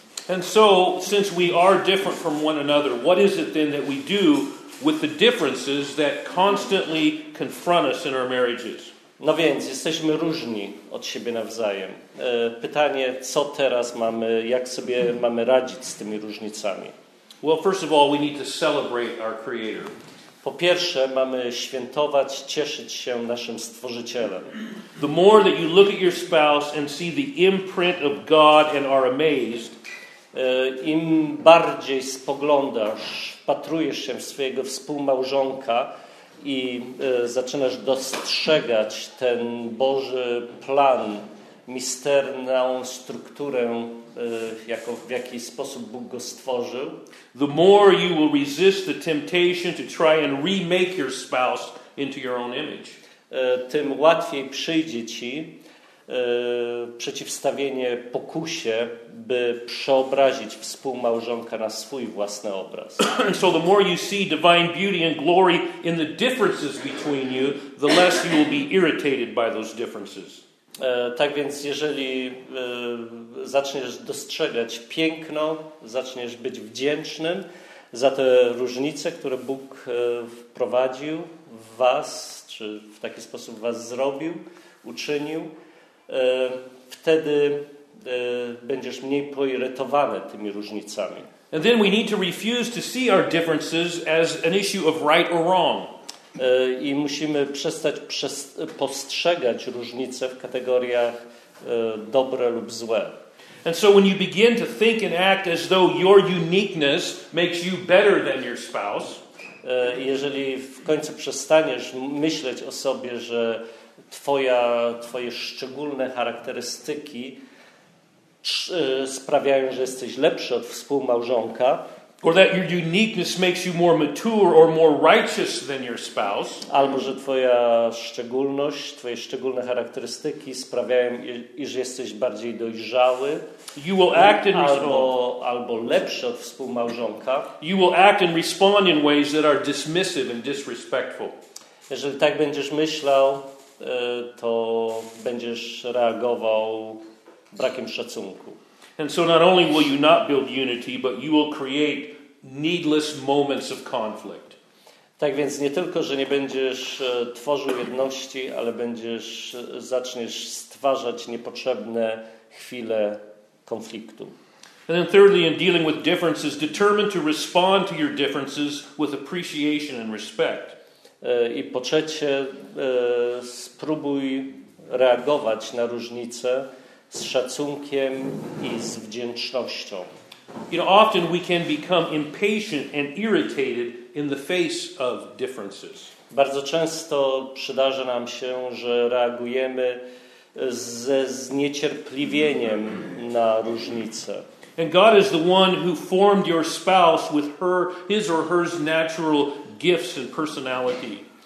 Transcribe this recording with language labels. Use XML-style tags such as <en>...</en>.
<en>And so, since we are different from one another, what is it then that we do with the differences that constantly confront us in our marriages?</en> <pl>No więc, jesteśmy różni od siebie nawzajem. Pytanie, co teraz mamy, jak sobie mamy radzić z tymi różnicami?</pl> <en>Well, first of all, we need to celebrate our Creator.</en> <pl>Po pierwsze, mamy świętować, cieszyć się naszym Stworzycielem.</pl> <en>The more that you look at your spouse and see the imprint of God and are amazed,</en> <pl>im bardziej spoglądasz, patrujesz się w swojego współmałżonka i zaczynasz dostrzegać ten Boży plan, misterną strukturę, jako, w jaki sposób Bóg go stworzył,</pl> <en>the more you will resist the temptation to try and remake your spouse into your own image.</en> <pl>Tym łatwiej przyjdzie ci przeciwstawienie pokusie, by przeobrazić współmałżonka na swój własny obraz.</pl> <en>So the more you see divine beauty and glory in the differences between you, the less you will be irritated by those differences.</en> <pl>Tak więc, jeżeli zaczniesz dostrzegać piękno, zaczniesz być wdzięcznym za te różnice, które Bóg wprowadził w was, czy w taki sposób was zrobił, uczynił, wtedy będziesz mniej poirytowany tymi różnicami.</pl> <en>And then we need to refuse to see our differences as an issue of right or wrong.</en> <pl>I musimy przestać postrzegać różnice w kategoriach dobre lub złe.</pl> <en>And so when you begin to think and act as though your uniqueness makes you better than your spouse,</en> <pl>jeżeli w końcu przestaniesz myśleć o sobie, że twoje szczególne charakterystyki sprawiają, że jesteś lepszy od współmałżonka,</pl> <en>or that your uniqueness makes you more mature or more righteous than your spouse,</en> <pl>albo że twoja szczególność, twoje szczególne charakterystyki sprawiają, iż jesteś bardziej dojrzały,</pl> <en>you will act in</en> <pl>albo lepszy od współmałżonka,</pl> <en>you will act and respond in ways that are dismissive and disrespectful.</en> <pl>Jeżeli tak będziesz myślał, to będziesz reagował brakiem szacunku.</pl> <en>And so not only will you not build unity, but you will create needless moments of conflict.</en> <pl>Tak więc nie tylko, że nie będziesz tworzył jedności, ale będziesz zaczniesz stwarzać niepotrzebne chwile konfliktu.</pl> <en>And then thirdly, in dealing with differences, determine to respond to your differences with appreciation and respect.</en> <pl>I po trzecie, spróbuj reagować na różnice z szacunkiem i z wdzięcznością.</pl> <en>You know, often we can become impatient and irritated in the face of differences.</en> <pl>Bardzo często przydarza nam się, że reagujemy ze zniecierpliwieniem na różnice.</pl> <en>And God is the one who formed your spouse with her, his or her natural gifts and personality.</en>